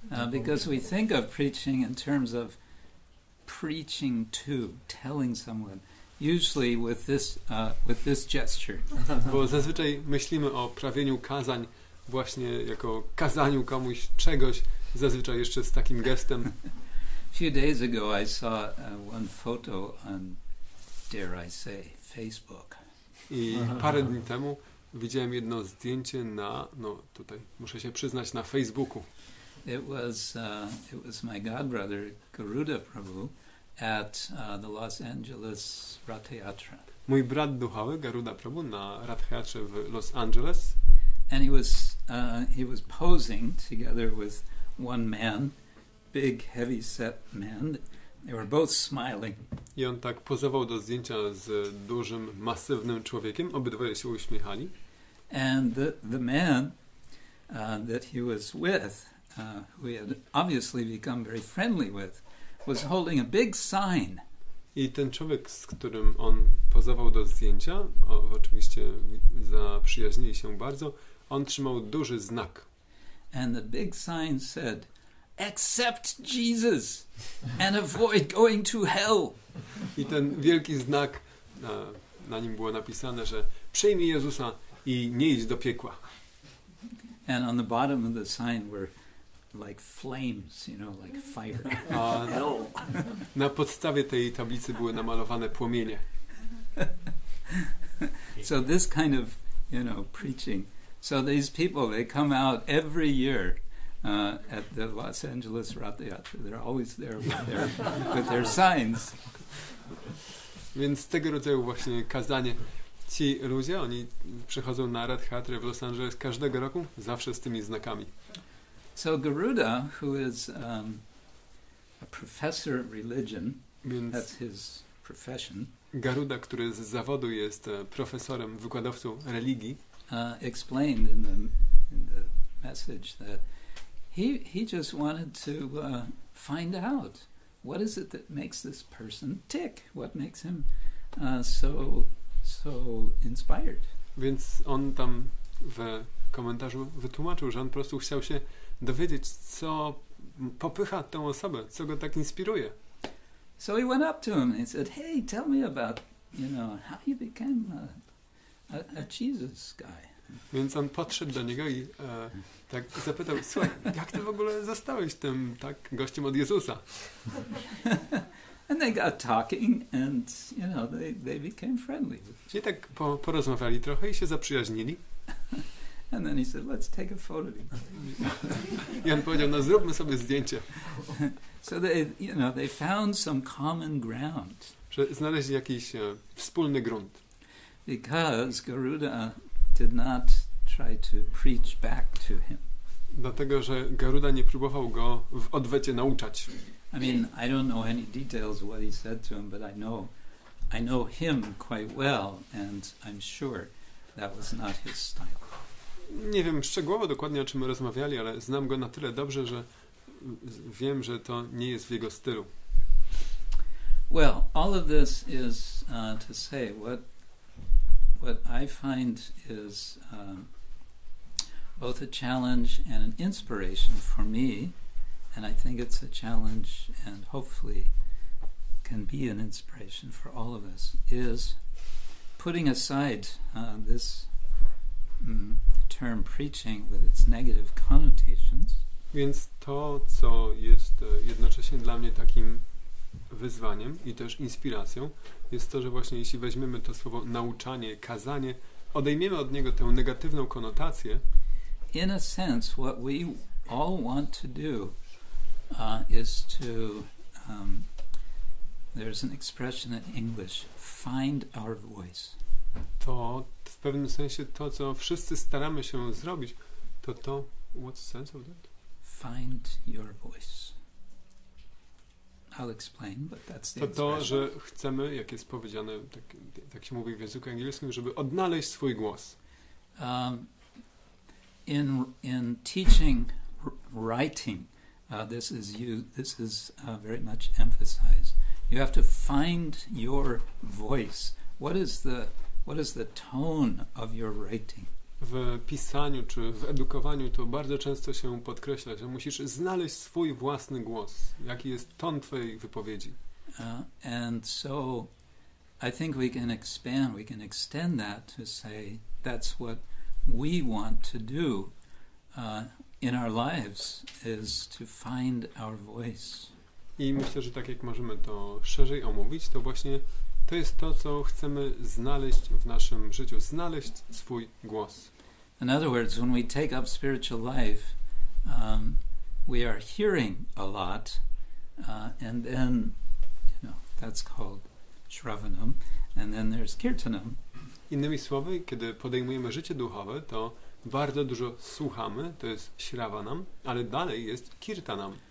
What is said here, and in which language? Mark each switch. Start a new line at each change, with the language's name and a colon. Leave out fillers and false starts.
English: Because we think of preaching in terms of preaching to, telling someone, usually with this gesture.
Polish: Bo zazwyczaj myślimy o prawieniu kazań właśnie jako kazaniu komuś czegoś, zazwyczaj jeszcze z takim gestem.
English: A few days ago I saw one photo on, dare I say, Facebook.
Polish: I parę dni temu widziałem jedno zdjęcie na, no tutaj muszę się przyznać, na Facebooku.
English: It was my godbrother Garuda Prabhu at the Los Angeles Ratheatra.
Polish: Mój brat duchowy Garuda Prabhu na Ratheatrze w Los Angeles.
English: And he was posing together with one man, big heavy set man. They were both smiling.
Polish: I on tak pozował do zdjęcia z dużym masywnym człowiekiem. Obydwoje się uśmiechali.
English: And the man that he was with, who he had obviously become very friendly with, was holding a big sign.
Polish: I ten człowiek, z którym on pozował do zdjęcia, oczywiście zaprzyjaźnili się bardzo, on trzymał duży znak.
English: And the big sign said, accept Jesus and avoid going to hell.
Polish: I ten wielki znak, na nim było napisane, że przyjmij Jezusa i nie idź do piekła.
English: And on the bottom of the sign were like flames, you know, like fire.
Polish: Na podstawie tej tablicy były namalowane płomienie.
English: So this kind of, you know, preaching. So these people, they come out every year at the Los Angeles Rath Yatra. They're always there with their signs.
Polish: Więc tego rodzaju właśnie kazanie. Ci ludzie, oni przychodzą na Rath Yatra w Los Angeles każdego roku, zawsze z tymi znakami.
English: So Garuda, who is a professor of religion,
Polish: więc
English: that's his profession.
Polish: Garuda, który z zawodu jest profesorem, wykładowcą religii,
English: explained in the message that he just wanted to find out what is it that makes this person tick, what makes him so inspired.
Polish: Więc on tam w komentarzu wytłumaczył, że on po prostu chciał się dowiedzieć, co popycha tę osobę, co go tak inspiruje.
English: So he went up to him and said, "Hey, tell me about, you know, how you became a Jesus guy."
Polish: Więc on podszedł do niego i tak zapytał: "Słuchaj, jak ty w ogóle zostałeś tym tak gościem od Jezusa?"
English: And they got talking, and you know, they became friendly.
Polish: I tak porozmawiali trochę i się zaprzyjaźnili.
English: And then he said, "Let's take a photo."
Polish: I on powiedział: "No, zróbmy sobie zdjęcie."
English: So they, you know, they found some common ground.
Polish: Że znaleźli jakiś wspólny grunt.
English: Because Garuda did not try to preach back to him.
Polish: Dlatego, że Garuda nie próbował go w odwecie nauczać.
English: I mean, I don't know any details what he said to him, but I know him quite well, and I'm sure that was not his style.
Polish: Nie wiem szczegółowo dokładnie, o czym rozmawiali, ale znam go na tyle dobrze, że wiem, że to nie jest w jego stylu.
English: Well, all of this is to say what I find is both a challenge and an inspiration for me, and I think it's a challenge and hopefully can be an inspiration for all of us, is putting aside this term preaching with its negative connotations.
Polish: Więc to, co jest jednocześnie dla mnie takim wyzwaniem i też inspiracją, jest to, że właśnie jeśli weźmiemy to słowo nauczanie, kazanie, odejmiemy od niego tę negatywną konotację.
English: In a sense, what we all want to do is to, there's an expression in English, find our voice.
Polish: To w pewnym sensie to, co wszyscy staramy się zrobić, to
English: what's the sense of that? Find your voice. I'll explain, but that's the
Polish: to, że chcemy, jak jest powiedziane, tak się mówi w języku angielskim, żeby odnaleźć swój głos.
English: In teaching writing, this is very much emphasized. You have to find your voice. What is the tone of your writing?
Polish: W pisaniu czy w edukowaniu to bardzo często się podkreśla, że musisz znaleźć swój własny głos, jaki jest ton twojej wypowiedzi.
English: And so I think we can extend that to say that's what we want to do in our lives, is to find our voice.
Polish: I myślę, że tak jak możemy to szerzej omówić, to właśnie to jest to, co chcemy znaleźć w naszym życiu, znaleźć swój głos.
English: In other words, when we take up spiritual life, we are hearing a lot, and then, you know, that's called shravanam, and then there's kirtanam.
Polish: Innymi słowy, kiedy podejmujemy życie duchowe, to bardzo dużo słuchamy, to jest śravanam, ale dalej jest kirtanam.